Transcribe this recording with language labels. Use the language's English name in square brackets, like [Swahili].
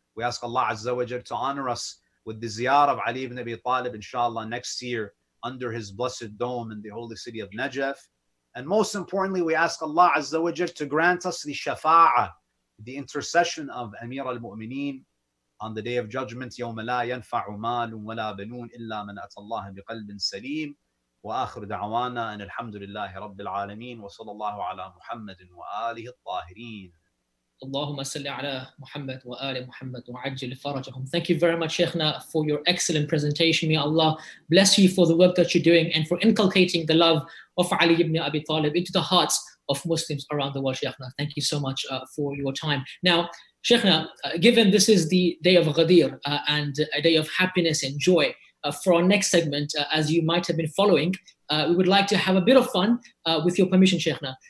[English] We ask Allah Azza wa Jal to honor us with the ziyarah of Ali ibn Abi Talib, inshallah, next year under his blessed dome in the holy city of Najaf. And most importantly, we ask Allah Azza wa Jal to grant us the shafa'ah, the intercession of Amir al-Mu'mineen on the Day of Judgment. [Arabic] يَوْمَ لَا يَنْفَعُ مَالٌ وَلَا بَنُونَ إِلَّا مَنْ أَتَى اللَّهَ بِقَلْبٍ سَلِيمٍ وآخر دعوانا أن الحمد لله رب العالمين وصلى الله على محمد وآله الطاهرين. اللهم صل على محمد وآل محمد وعجل فرجهم. [English] Thank you very much, Sheikhna, for your excellent presentation. May Allah bless you for the work that you're doing and for inculcating the love of Ali ibn Abi Talib into the hearts of Muslims around the world, Sheikhna. Thank you so much for your time. Now, Sheikhna, given this is the day of Ghadir and a day of happiness and joy, for our next segment, as you might have been following, we would like to have a bit of fun, with your permission, Sheikhna.